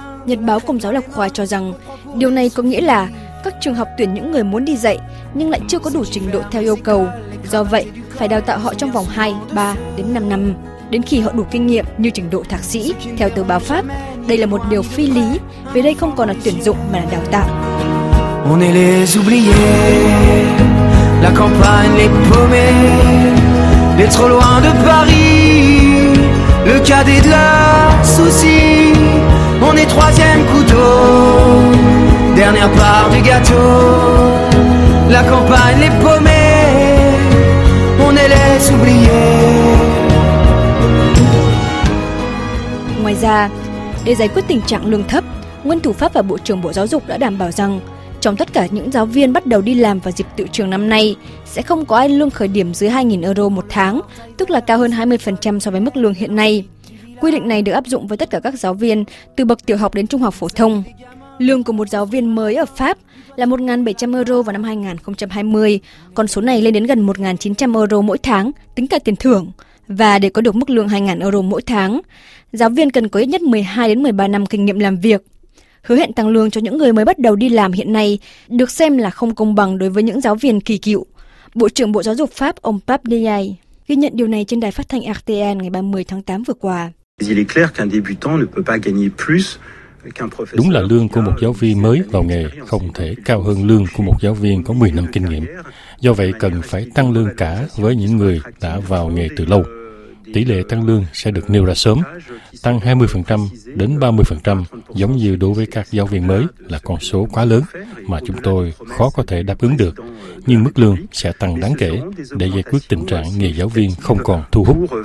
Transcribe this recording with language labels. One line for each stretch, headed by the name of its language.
Vietnamese: Nhật báo Công giáo La Khoa cho rằng điều này có nghĩa là các trường học tuyển những người muốn đi dạy nhưng lại chưa có đủ trình độ theo yêu cầu. Do vậy, phải đào tạo họ trong vòng 2, 3 đến 5 năm. Đến khi họ đủ kinh nghiệm như trình độ thạc sĩ, theo tờ báo Pháp, đây là một điều phi lý vì đây không còn là tuyển dụng mà là đào tạo.
French: On est les oubliés, la campagne les paumés, les trop loin de Paris, le cadet de leurs soucis. On est troisième couteau, dernière part du gâteau, la campagne les paumés, on est les oubliés.
Vietnamese: Ngoài ra, để giải quyết tình trạng lương thấp, Nguyên thủ Pháp và Bộ trưởng Bộ Giáo dục đã đảm bảo rằng trong tất cả những giáo viên bắt đầu đi làm vào dịp tựu trường năm nay, sẽ không có ai lương khởi điểm dưới 2.000 euro một tháng, tức là cao hơn 20% so với mức lương hiện nay. Quy định này được áp dụng với tất cả các giáo viên, từ bậc tiểu học đến trung học phổ thông. Lương của một giáo viên mới ở Pháp là 1.700 euro vào năm 2020, con số này lên đến gần 1.900 euro mỗi tháng, tính cả tiền thưởng. Và để có được mức lương 2.000 euro mỗi tháng, giáo viên cần có ít nhất 12 đến 13 năm kinh nghiệm làm việc. Hứa hẹn tăng lương cho những người mới bắt đầu đi làm hiện nay được xem là không công bằng đối với những giáo viên kỳ cựu. Bộ trưởng Bộ Giáo dục Pháp, ông Pape Ndiaye, ghi nhận điều này trên đài phát thanh RTN ngày 30 tháng 8 vừa qua.
French: Il est clair qu'un débutant ne peut pas gagner plus qu'un professeur.
Vietnamese: Đúng là lương của một giáo viên mới vào nghề không thể cao hơn lương của một giáo viên có 10 năm kinh nghiệm. Do vậy cần phải tăng lương cả với những người đã vào nghề từ lâu. Tỷ lệ tăng lương sẽ được nêu ra sớm, tăng 20% đến 30% giống như đối với các giáo viên mới là con số quá lớn mà chúng tôi khó có thể đáp ứng được, nhưng mức lương sẽ tăng đáng kể để giải quyết tình trạng nghề giáo viên không còn thu hút.